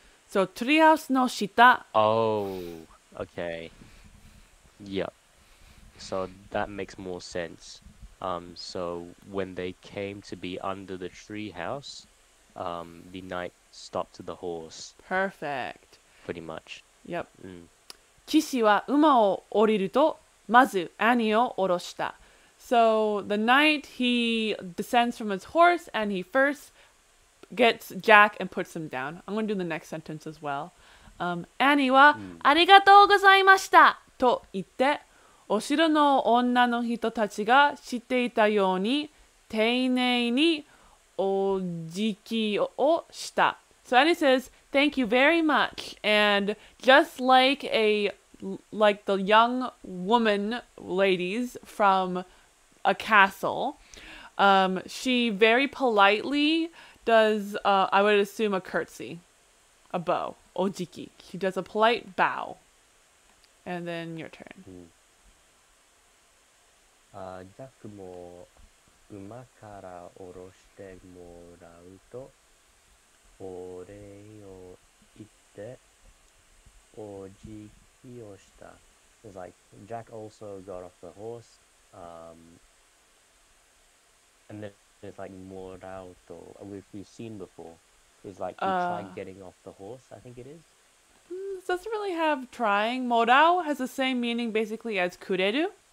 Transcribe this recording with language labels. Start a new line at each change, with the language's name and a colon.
English: So, treehouse
Japanese: no shita.
English: Oh, okay. Yep. So that makes more sense. So when they came to be under the treehouse, the knight stopped the horse. Perfect. Pretty much. Yep.
Japanese: 騎士は馬を降りると、まず兄を下ろした。
English: So the knight, he descends from his horse and he first gets Jack and puts him down. I'm going to do the next sentence as well.
Japanese: 兄はありがとうございましたと言って、お城の女の人たちが知っていたように丁寧にお辞儀をした。
English: So Annie says, thank you very much. And just like the young woman ladies from a castle, she very politely does, I would assume, a curtsy, a bow, お辞儀. She does a polite bow. And then your turn.
Japanese: ジャックも馬から降ろしてもらうとお礼を言ってお辞儀をした。
English: It's like Jack also got off the horse, and then it's like
Japanese: もらうと
English: we've seen before. It's like he tried getting off the horse. I think it is. It doesn't really have trying. もらう has the same meaning basically as くれる。